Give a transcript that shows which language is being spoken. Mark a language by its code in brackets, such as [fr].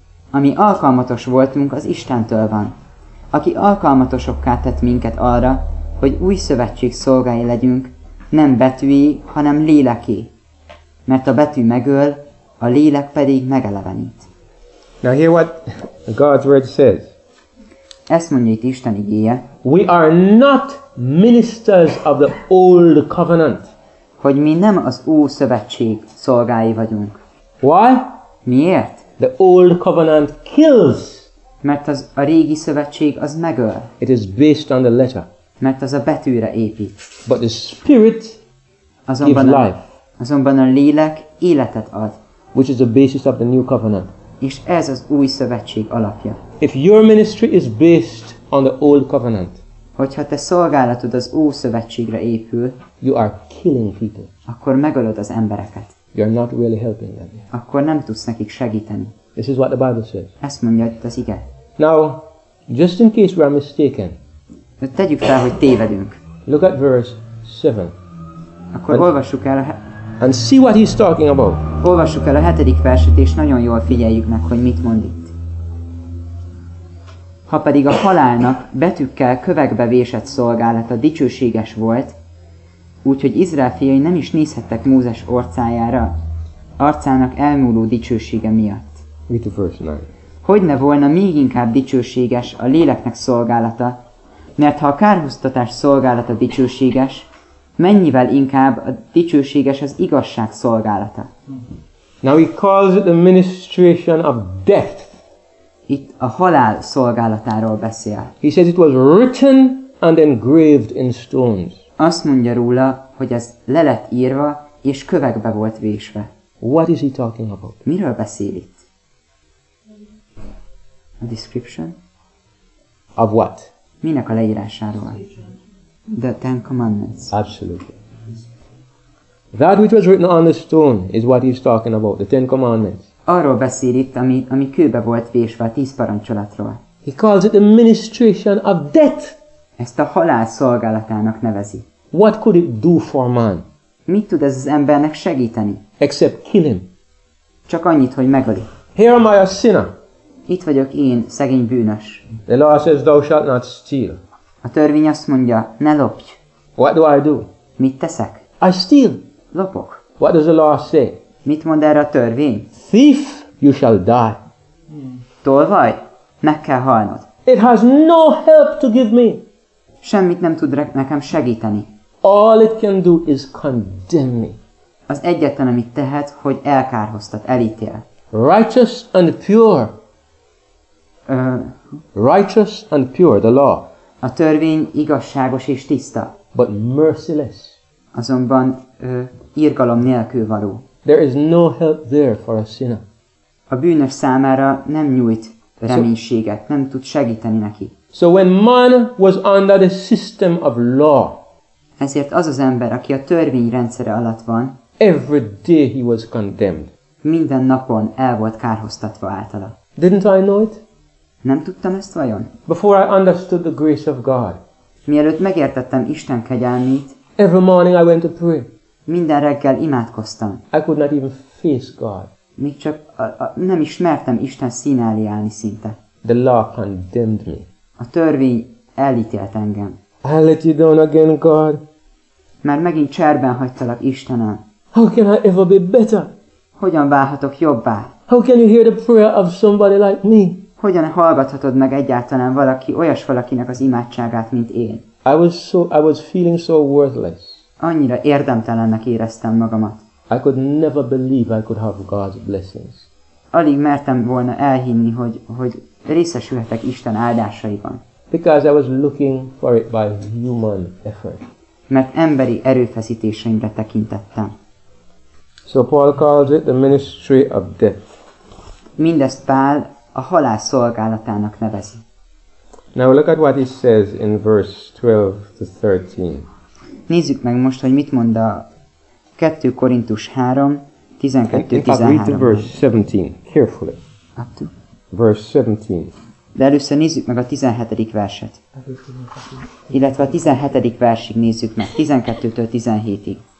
[hu] Ami alkalmatos voltunk, az Istentől van, aki alkalmatosokká tett minket arra, hogy új szövetség szolgái legyünk, nem betűi, hanem léleké. Mert a betű megöl, a lélek pedig megelevenít. [en] Now hear what God's word says. [hu] Ezt mondja itt Isten igéje. [en] We are not ministers of the old covenant. [hu] Hogy mi nem az új szövetség szolgái vagyunk. [en] Why? [hu] Miért? [en] The old covenant kills. [hu] Mert az a régi szövetség az megöl. [en] It is based on the letter. [hu] Mert az a betűre épít. [en] But the spirit gives life. [hu] Azonban a lélek életet ad. [en] Which is the basis of the new covenant. [hu] És ez az új szövetség alapja. [en] If your ministry is based on the old covenant. [hu] Hogyha te szolgálatod az új szövetségre épül. [en] You are killing people. [hu] Akkor megölöd az embereket. [en] You're not really helping them. [hu] Akkor nem tudsz nekik segíteni. [en] This is what the Bible says. [hu] Ezt mondja itt az ige. [en] Now, just in case we are mistaken. [hu] De tegyük fel, hogy tévedünk. [en] Look at verse 7. [hu] Akkor olvassuk el a [en] And see what he's talking about. [hu] Olvassuk el a 7. verset, és nagyon jól figyeljük meg, hogy mit mond itt. Ha pedig a halálnak betűkkel kövekbe vésett szolgálata dicsőséges volt, úgyhogy Izrael fiai nem is nézhettek Mózes arcájára, arcának elmúló dicsősége miatt. Hogy ne volna még inkább dicsőséges a léleknek szolgálata, mert ha a kárhoztatás szolgálata dicsőséges, mennyivel inkább a dicsőséges az igazság szolgálata. [en] Now he calls it the ministration of death. [hu] Itt a halál szolgálatáról beszél. [en] He says it was written and engraved in stones. [hu] Azt mondja róla, hogy ez le lett írva, és kövekbe volt vésve. [en] What is he talking about? [hu] Miről beszél itt? [en] A description? Of what? [hu] Minek a leírásáról? [en] The Ten Commandments. Absolutely. That which was written on the stone is what he's talking about, the Ten Commandments. [hu] Arról beszél itt, ami kőbe volt vésve a 10 parancsolatról. [en] He calls it the ministration of death. [hu] Ezt a halál szolgálatának nevezi. [en] What could it do for man? [hu] Mit tud ez az embernek segíteni? [en] Except kill him. [hu] Csak annyit, hogy megöli. [en] Here am I a sinner. [hu] Itt vagyok én, szegény bűnös. [en] The law says thou shalt not steal. [hu] A törvény azt mondja, ne lopj. [en] What do I do? [hu] Mit teszek? [en] I steal. [hu] Lopok. [en] What does the law say? [hu] Mit mond erre a törvény? [en] Thief, you shall die. [hu] Tolvaj, meg kell halnod. [en] It has no help to give me. [hu] Semmit nem tud nekem segíteni. [en] All it can do is condemn me. [hu] Az egyetlen, amit tehet, hogy elkárhoztat, elítél. [en] Righteous and pure. Righteous and pure, the law. [hu] A törvény igazságos és tiszta. [en] But merciless. [hu] Azonban irgalom nélkül való. [en] There is no help there for a sinner. [hu] A bűnös számára nem nyújt reménységet, nem tud segíteni neki. [en] So when man was under the system of law, [hu] ezért az az ember, aki a törvény rendszere alatt van, [en] every day he was condemned. [hu] Minden napon el volt kárhoztatva általa. [en] Didn't I know it? [hu] Nem tudtam ezt vajon? [en] Before I understood the grace of God. [hu] Mielőtt megértettem Isten kegyelmét. [en] Every morning I went to pray. [hu] Minden reggel imádkoztam. [en] I could not even face God. [hu] Még csak nem ismertem Isten színe elé állni szinte. [en] The law condemned me. [hu] A törvény elítélt engem. [en] I let you down again, God. [hu] Már megint cserben hagytalak, Istenem. [en] How can I ever be better? [hu] Hogyan válhatok jobbá? [en] How can you hear the prayer of somebody like me? [hu] Hogyan hallgathatod meg egyáltalán valaki, olyas valakinek az imádságát, mint én? [en] I was feeling so worthless. [hu] Annyira érdemtelennek éreztem magamat. [en] I could never believe I could have God's blessings. [hu] Alig mertem volna elhinni, hogy részesülhetek Isten áldásaiban. [en] Because I was looking for it by human effort. [hu] Mert emberi erőfeszítéseimre tekintettem. [en] So Paul calls it the ministry of death. [hu] Mindezt Pál a halál szolgálatának nevezi. [en] Now look at what he says in verse 12-13. [hu] Nézzük meg most, hogy mit mond a 2 Korintus 3, 12-13. [en] Read the verse 17, carefully. Up to. Verse 17. [hu] De először nézzük meg a 17. verset. Illetve a 17. versig nézzük meg, 12-től 17-ig.